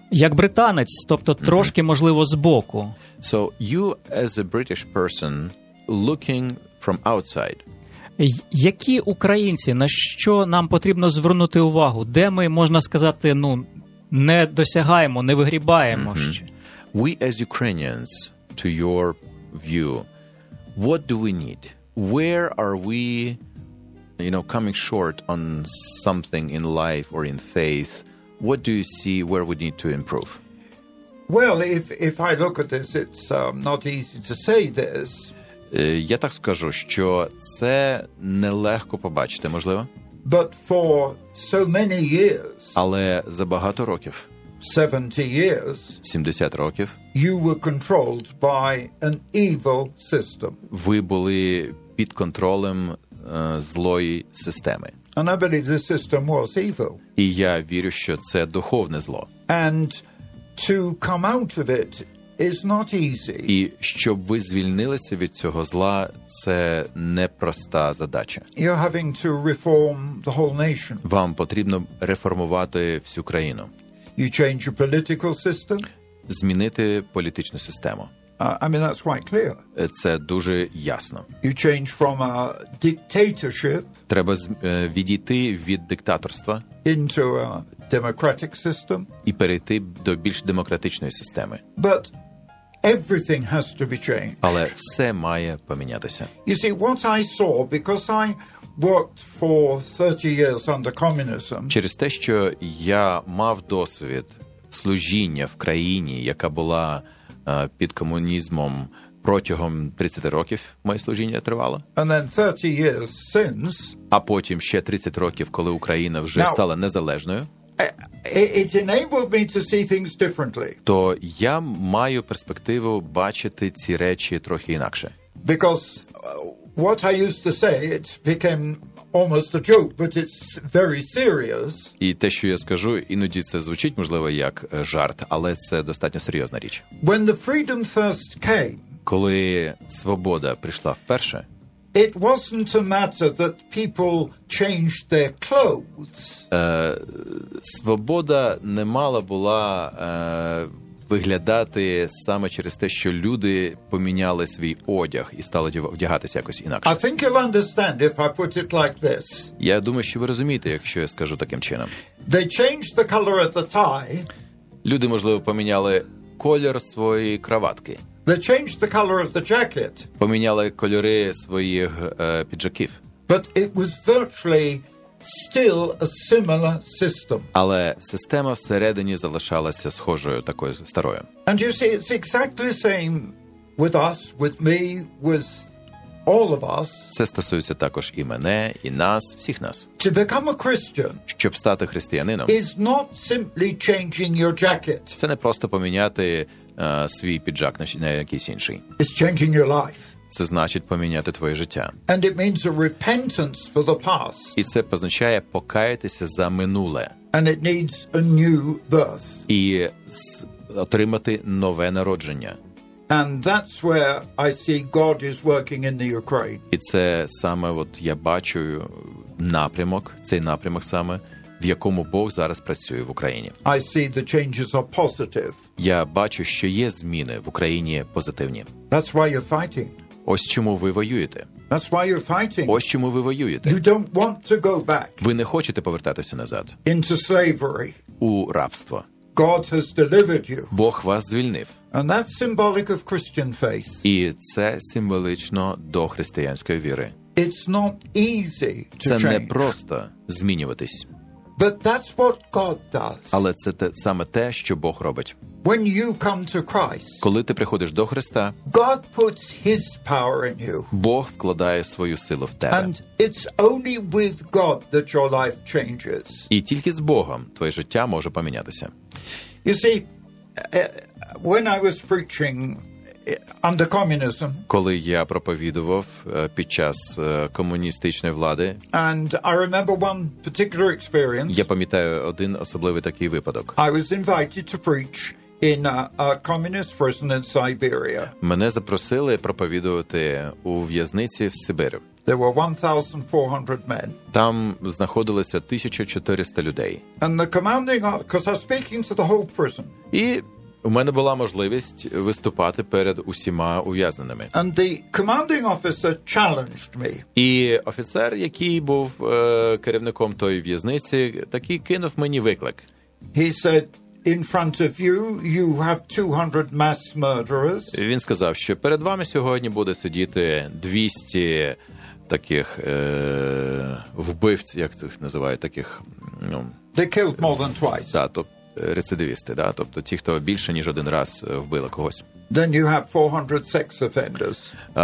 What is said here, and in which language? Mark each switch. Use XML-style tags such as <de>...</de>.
<uk>Як британець, тобто трошки, можливо, збоку.</uk> <en>So you as a British person looking from outside.</en> <uk>Які українці, на що нам потрібно звернути увагу? Де ми, можна сказати, не досягаємо, не вигрібаємо ще.</uk> <en>We as Ukrainians, to your view, what do we need? Where are we, you know, coming short on something in life or in faith? What do you see where we need to improve? Well, if I look at this, it's not easy to say this.</en> <uk>Я так скажу, що це нелегко побачити, можливо.</uk> <en>But for so many years,</en> <uk>але за багато років,</uk> <en>70 years,</en> <uk>70 років,</uk> <en>you were controlled by an evil system.</en> <uk>Ви були під контролем злої системи.</uk> <en>And I believe this system was evil.</en> <uk>І я вірю, що це духовне зло.</uk> <en>And to come out of it is not easy.</en> <uk>І щоб ви звільнилися від цього зла, це непроста задача.</uk> <en>You're having to reform the whole nation.</en> <uk>Вам потрібно реформувати всю країну.</uk> <en>You change your political system?</en> <uk>Змінити політичну систему.</uk> <en>I mean that's quite clear.</en> <uk>Це дуже ясно.</uk> <en>You change from a dictatorship.</en> <uk>Треба відійти від диктаторства</uk> <en>into a democratic system.</en> <uk>І перейти до більш демократичної системи.</uk> <en>But everything has to be changed.</en> <uk>Але все має помінятися.</uk> <en>You see, what I saw, because I worked for 30 years under communism.</en> <uk>Через те, що я мав досвід служіння в країні, яка була під комунізмом протягом 30 років моє служіння тривало.</uk> <en>And then 30 years since,</en> <uk>а потім ще 30 років, коли Україна вже</uk> <en>now,</en> <uk>стала незалежною,</uk> <en>it enabled me to see things differently.</en> <uk>То я маю перспективу бачити ці речі трохи інакше.</uk> <en>Because what I used to say, it became almost a joke, but it's very serious.</en> <uk>І те, що я скажу, іноді це звучить, можливо, як жарт, але це достатньо серйозна річ.</uk> <en>When the freedom first came,</en> <uk>коли свобода прийшла вперше,</uk> <en>it wasn't a matter that people changed their clothes.</en> <uk>Свобода не мала була виглядати саме через те, що люди поміняли свій одяг і стали вдягатися якось інакше.</uk> <en>I think you'll understand if I put it like this.</en> <uk>Я думаю, що ви розумієте, якщо я скажу таким чином.</uk> <en>They changed the color of the tie.</en> <uk>Люди, можливо, поміняли колір своєї краватки.</uk> <en>They changed the color of the jacket.</en> <uk>Поміняли кольори своїх піджаків.</uk> <en>But it was virtually still a similar system.</en> <uk>Але система всередині залишалася схожою, такою старою.</uk> <en>And you see, it's exactly the same with us, with me, with all of us.</en> <uk>Це стосується також і мене, і нас, всіх нас.</uk> <en>To become a Christian.</en> <uk>Щоб стати християнином.</uk> <en>Is not simply changing your jacket.</en> <uk>Це не просто поміняти свій піджак на якийсь інший.</uk> <en>It's changing your life.</en> <uk>Це значить поміняти твоє життя.</uk> <en>And it means a repentance for the past.</en> <uk>І це означає покаятися за минуле.</uk> <en>And it needs a new birth.</en> <uk>І отримати нове народження.</uk> <en>And that's where I see God is working in the Ukraine.</en> <uk>І це саме от я бачу напрямок, цей напрямок саме, в якому Бог зараз працює в Україні.</uk> <en>I see the changes are positive.</en> <uk>Я бачу, що є зміни в Україні позитивні.</uk> <en>That's why you're fighting.</en> <uk>Ось чому ви воюєте.</uk> <en>That's why you're fighting.</en> <uk>Ось чому ви воюєте.</uk> <en>You don't want to go back.</en> <uk>Ви не хочете повертатися назад.</uk> <en>Into slavery.</en> <uk>У рабство.</uk> <en>God has delivered you.</en> <uk>Бог вас звільнив.</uk> <en>And that's symbolic of Christian faith.</en> <uk>І це символічно до християнської віри.</uk> <en>It's not easy to</en> <uk>це</uk> <en>change.</en> <uk>Не просто змінюватись.</uk> <en>But that's what God does.</en> <uk>Але це саме те, що Бог робить.</uk> <en>When you come to Christ,</en> <uk>коли ти приходиш до Христа,</uk> <en>God puts His power in you.</en> <uk>Бог вкладає свою силу в тебе.</uk> <en>And it's only with God that your life changes.</en> <uk>І тільки з Богом твоє життя може помінятися.</uk> <en>You see, when I was preaching under communism,</en> <uk>коли я проповідував під час комуністичної влади,</uk> <en>and I remember one particular experience.</en> <uk>Я пам'ятаю один особливий такий випадок.</uk> <en>I was invited to preach in a communist prison in Siberia.</en> <uk>Мене запросили проповідувати у в'язниці в Сибірі.</uk> <en>There were 1400 men.</en> <uk>Там знаходилося 1400 людей.</uk> <en>And the commanding, because I was speaking to the whole prison.</en> <uk>І у мене була можливість виступати перед усіма ув'язненими.</uk> <en>And the commanding officer challenged me.</en> <uk>І офіцер, який був керівником тої в'язниці, такий кинув мені виклик.</uk> <en>He said, in front of you, you have 200 mass murderers.</en> <uk>Він сказав, що перед вами сьогодні буде сидіти 200 таких вбивць, як їх називають, таких, ну,</uk> <en>they killed more than twice.</en> <uk>Да, тобто рецидивісти, да, тобто ті, хто більше ніж один раз вбили когось.</uk> <en>Then you have 400 sex offenders.</en>